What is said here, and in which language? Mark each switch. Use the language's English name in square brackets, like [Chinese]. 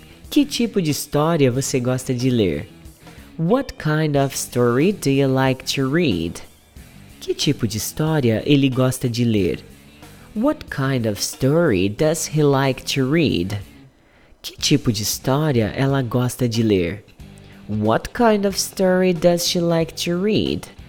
[Portuguese] Que tipo de história você gosta de ler? [English] What kind of story do you like to read? [Portuguese] Que tipo de história ele gosta de ler? [English] What kind of story does he like to read? [Portuguese] Que tipo de história ela gosta de ler? [English] What kind of story does she like to read?